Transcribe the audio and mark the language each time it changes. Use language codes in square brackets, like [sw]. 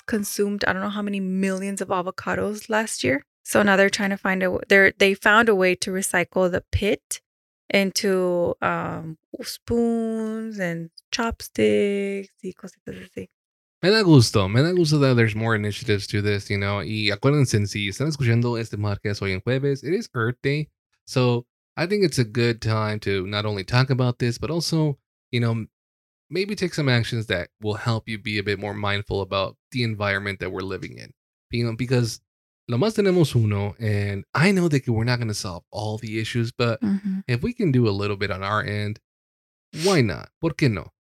[en] consumed, I don't know how many millions of avocados last year. So now they're trying to find they found a way to recycle the pit into spoons and chopsticks y cositas así. Me da gusto that there's more initiatives to this, you know. [es] Y acuérdense, si están escuchando este podcast hoy en jueves, it is Earth Day. [en] So I think it's a good time to not only talk about this, but also, you know, maybe take some actions that will help you be a bit more mindful about the environment that we're living in. You know, because lo más tenemos uno, and I know that we're not going to solve all the issues, but if we can do a little bit on our end, why not? ¿Por qué no?